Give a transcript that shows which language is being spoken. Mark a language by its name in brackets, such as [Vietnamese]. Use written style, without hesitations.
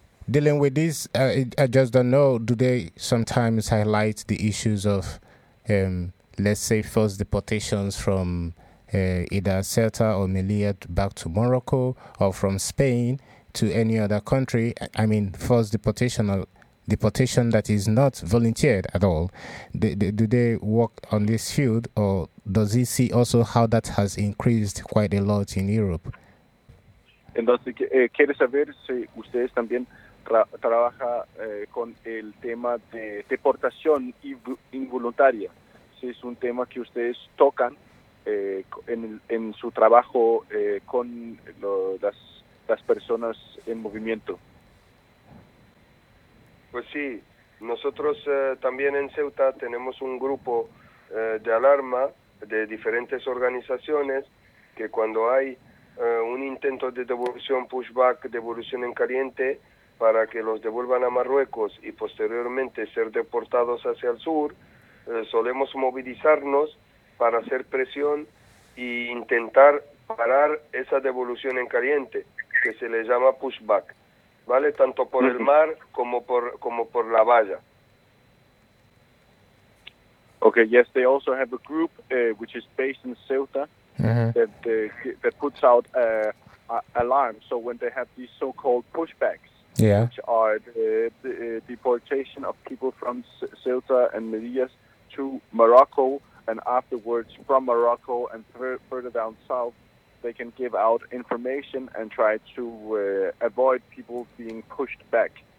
[English] Dealing with this, I just don't know, do they sometimes highlight the issues of, let's say, forced deportations from either Ceuta or Melilla back to Morocco or from Spain to any other country? I mean, forced deportation or deportation that is not volunteered at all. Do they work on this field, or does he see also how that has increased quite a lot in Europe? [Spanish] Entonces, quiere saber si ustedes también trabaja con el tema de deportación involuntaria. Si es un tema que ustedes tocan en su trabajo con las personas en movimiento. Pues sí, nosotros también en Ceuta tenemos un grupo de alarma de diferentes organizaciones que cuando hay un intento de devolución, pushback, devolución en caliente, para que los devuelvan a Marruecos y posteriormente ser deportados hacia el sur, solemos movilizarnos para hacer presión e intentar parar esa devolución en caliente, que se le llama pushback, ¿vale? Tanto por el mar como por la valla. [English] Okay, yes, they also have a group which is based in Ceuta, uh-huh, that puts out alarms, so when they have these so-called pushbacks, yeah, which are the deportation of people from Ceuta and Melilla to Morocco, and afterwards from Morocco and further down south, they can give out information and try to avoid people being pushed back.